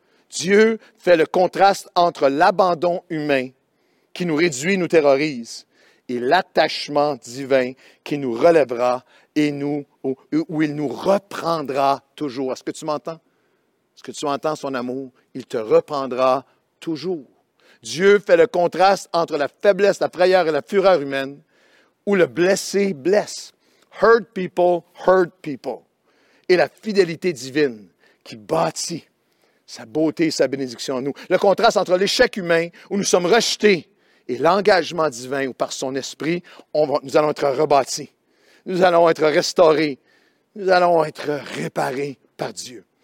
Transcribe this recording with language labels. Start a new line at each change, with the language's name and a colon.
French: Dieu fait le contraste entre l'abandon humain qui nous réduit, nous terrorise, et l'attachement divin qui nous relèvera et nous, où il nous reprendra toujours. Est-ce que tu m'entends? Est-ce que tu entends son amour? Il te reprendra toujours. Dieu fait le contraste entre la faiblesse, la frayeur et la fureur humaine où le blessé blesse.
English: Hurt people hurt people.
French: Et la fidélité divine qui bâtit sa beauté et sa bénédiction en nous. Le contraste entre l'échec humain où nous sommes rejetés et l'engagement divin où par son esprit, nous allons être rebâtis. Nous allons être restaurés. Nous allons être réparés par Dieu.